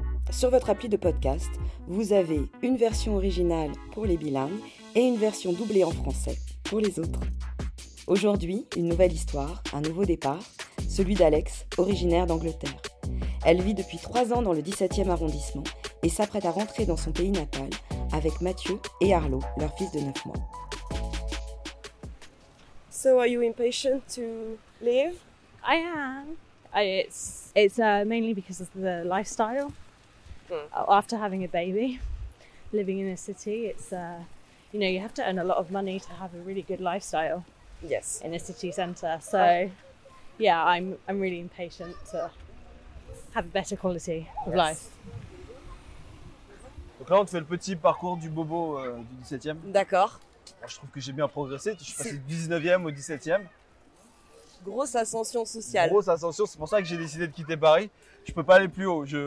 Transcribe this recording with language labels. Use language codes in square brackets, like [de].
[fr] Sur votre appli de podcast, vous avez une version originale pour les bilingues et une version doublée en français pour les autres. Aujourd'hui, une nouvelle histoire, un nouveau départ, celui d'Alex, originaire d'Angleterre. Elle vit depuis 3 ans dans le 17e arrondissement et s'apprête à rentrer dans son pays natal avec Mathieu et Arlo, leur fils de 9 mois. [en] So are you impatient to leave? I am. It's mainly because of the lifestyle. After having a baby, living in a city, it's you have to earn a lot of money to have a really good lifestyle. Yes. In a city center. So I'm really impatient to have a better quality of life. [fr] Donc là, on te fait le petit parcours du bobo du 17e. D'accord. Alors, je trouve que j'ai bien progressé. Je suis passé du 19e au 17e. Grosse ascension sociale. Grosse ascension. C'est pour ça que j'ai décidé de quitter Paris. Je peux pas aller plus haut.